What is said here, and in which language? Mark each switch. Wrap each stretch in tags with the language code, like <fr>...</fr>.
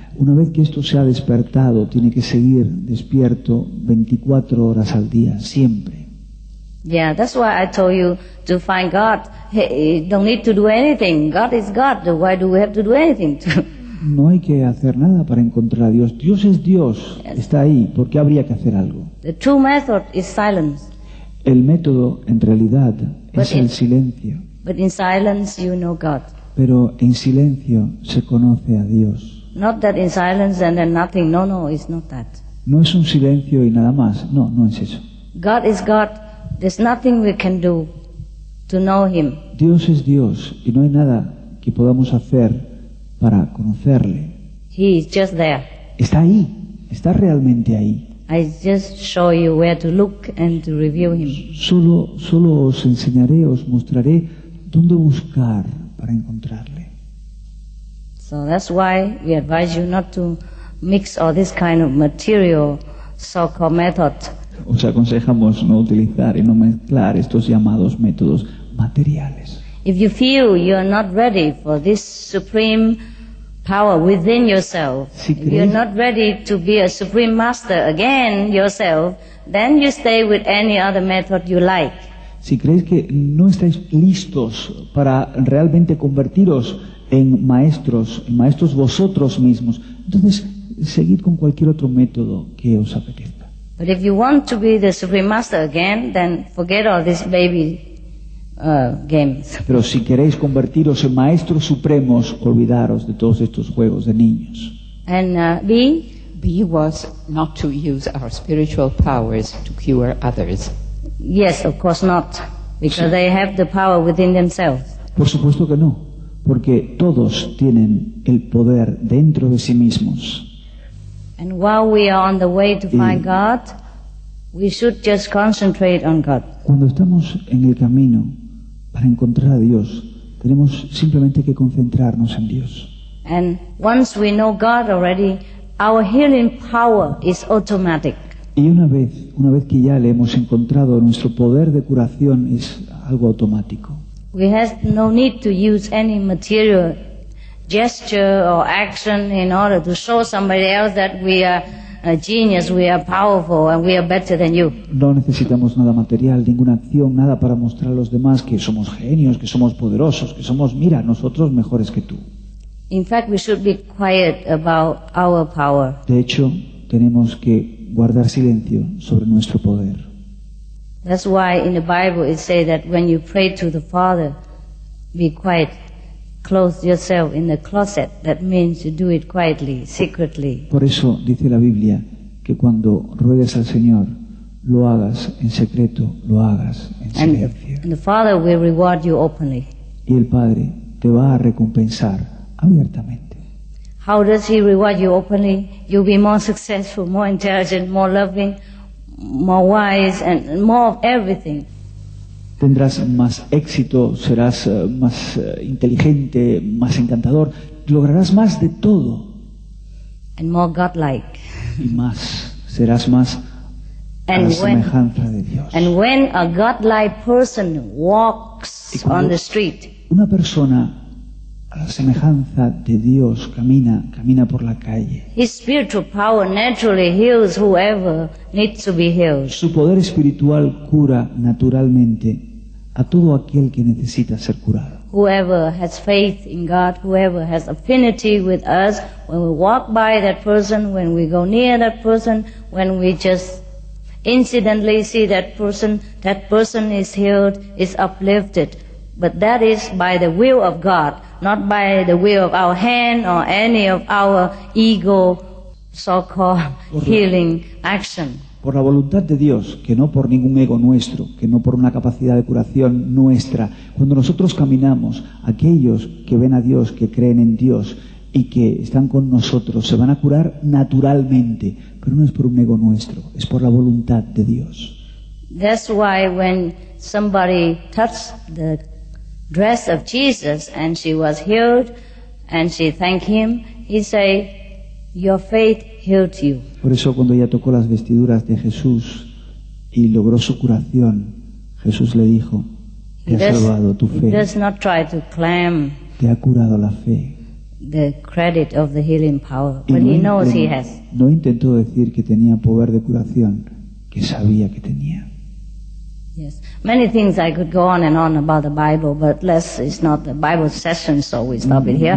<es>Una vez que esto se ha despertado, tiene que seguir despierto 24 horas al día, siempre.</es> <en>Yeah, that's why I told you to find God. Hey, don't need to do anything. God is God. Why do we have to do anything?</en> <es>No hay que hacer nada para encontrar a Dios. Dios es Dios.</es> <en>Yes.</en> <es>Está ahí. ¿Por qué habría que hacer algo?</es> <en>The true method is silence.</en> <es>El método, en realidad, es el silencio.</es> <en>But in silence you know God.</en> <es>Pero en silencio se conoce a Dios.</es> <en>Not that in silence and then nothing. No, no, it's not that.</en> <es>No es un silencio y nada más. No, no es eso.</es> <en>God is God. There's nothing we can do to know Him.</en> <es>Dios es Dios y no hay nada que podamos hacer para conocerle.</es> <en>He is just there.</en> <es>Está ahí. Está realmente ahí.</es> <en>I just show you where to look and to review him.</en> <es>Solo os enseñaré, os mostraré dónde buscar para encontrarle.</es> <en>So that's why we advise you not to mix all this kind of material, so-called method.</en> <es>Os aconsejamos no utilizar y no mezclar estos llamados métodos materiales.</es> <en>If you feel you are not ready for this supreme power within yourself.</en> <es>Si crees,</es> <en>if you're not ready to be a supreme master again yourself, then you stay with any other method you like.</en> <es>Si crees que no estáis listos para realmente convertiros en maestros vosotros mismos, entonces seguid con cualquier otro método que os apetezca.</es> <en>But if you want to be the supreme master again, then forget all this baby games.</en> <es>Pero si queréis convertiros en maestros supremos, olvidaros de todos estos juegos de niños.</es> <en>And B? B was not to use our spiritual powers to cure others. Yes, of course not, because</en> <es>sí.</es> <en>They have the power within themselves.</en> <es>Por supuesto que no, porque todos tienen el poder dentro de sí mismos.</es> <en>And while we are on the way to find God, we should just concentrate on God.</en> <es>Cuando estamos en el camino para encontrar a Dios, tenemos simplemente que concentrarnos en Dios.</es> <en>And once we know God already, our healing power is automatic.</en> <es>Y una vez que ya le hemos encontrado, nuestro poder de curación es algo automático.</es> <en>We have no need to use any material gesture or action in order to show somebody else that we are a genius, we are powerful, and we are better than you.</en> <es>No necesitamos nada material, ninguna acción, nada para mostrar a los demás que somos genios, que somos poderosos, que somos, mira, nosotros mejores que tú.</es> <en>In fact, we should be quiet about our power.</en> <es>De hecho, tenemos que guardar silencio sobre nuestro poder.</es> <en>That's why in the Bible it says that when you pray to the Father, be quiet. Close yourself in the closet. That means you do it quietly, secretly.</en> <es>Por eso dice la Biblia que cuando ruegues al Señor, lo hagas en secreto, lo hagas en silencio.</es> <en>And the Father will reward you openly.</en> <es>Y el Padre te va a recompensar abiertamente.</es> <en>How does He reward you openly? You'll be more successful, more intelligent, more loving, more wise, and more of everything.</en> <es>Tendrás más éxito, serás más inteligente, más encantador, lograrás más de todo.</es> <en>And more God-like.</en> <es>Y más, serás más</es> <en>and</en> <es>a la semejanza de Dios.</es> <en>And when a God-like person walks on the street,</en> <es>una persona a la semejanza de Dios camina por la calle.</es> <en>His spiritual power naturally heals whoever needs to be healed.</en> <es>Su poder espiritual cura naturalmente a todo aquel que necesita ser curado.</es> <en>Whoever has faith in God, whoever has affinity with us, when we walk by that person, when we go near that person, when we just incidentally see that person is healed, is uplifted. But that is by the will of God, not by the will of our hand or any of our ego, so-called healing action.</en> <es>Por la voluntad de Dios, que no por ningún ego nuestro, que no por una capacidad de curación nuestra. Cuando nosotros caminamos, aquellos que ven a Dios, que creen en Dios y que están con nosotros, se van a curar naturalmente. Pero no es por un ego nuestro, es por la voluntad de Dios.</es> <en>That's why when somebody touched the dress of Jesus and she was healed and she thanked him, he said, "Your faith healed you."</en> <es>Por eso cuando ella tocó las vestiduras de Jesús y logró su curación, Jesús le dijo, "Te ha salvado tu fe."</es> <en>He does not try to claim</en> <es>te ha curado la fe.</es> <en>The credit of the healing power, but he knows he has.</en> <es>No intentó decir que tenía poder de curación, que sabía que tenía.</es> <en>Yes, many things I could go on and on about the Bible, but it's not the Bible session, so we stop it here.</en>